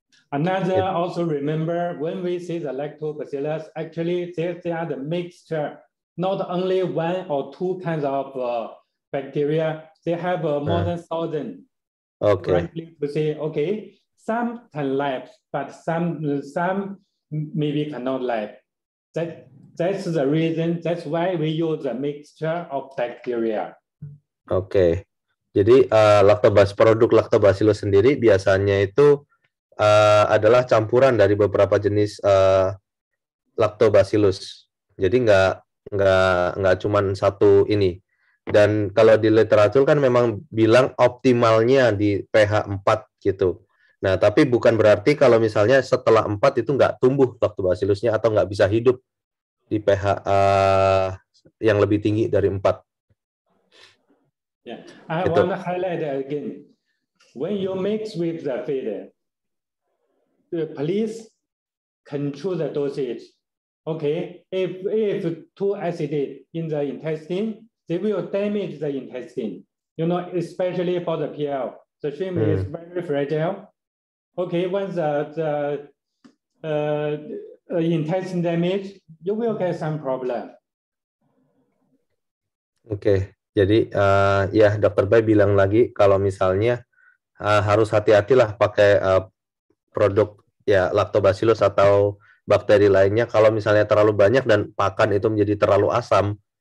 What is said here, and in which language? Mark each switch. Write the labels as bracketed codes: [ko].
[en] Another also remember when we say the lactobacillus, actually they are the mixture, not only one or two kinds of bacteria. They have more than 1,000. Okay. Correctly to say, okay, some can live, but some maybe cannot live. That's the reason, that's why we use a mixture of bacteria. Okay. [id] Jadi produk lactobacillus sendiri biasanya itu adalah campuran dari beberapa jenis lactobacillus. Jadi nggak cuma satu ini. Dan kalau di literatur kan memang bilang optimalnya di pH 4 gitu. Nah, tapi bukan berarti kalau misalnya setelah 4 itu nggak tumbuh lactobacillusnya atau nggak bisa hidup di pH yang lebih tinggi dari 4. [en] Yeah. I want to highlight again. When you mix with the feed, please control the dosage. Okay, if too acid in the intestine, they will damage the intestine. You know, especially for the PL, the shrimp is very fragile. Okay, once the intestine damage, you will get some problem. [id] Okay, jadi ya Dr. Bai bilang lagi kalau misalnya harus hati-hatilah pakai produk ya lactobacillus atau bakteri lainnya kalau misalnya terlalu banyak dan pakan itu menjadi terlalu asam.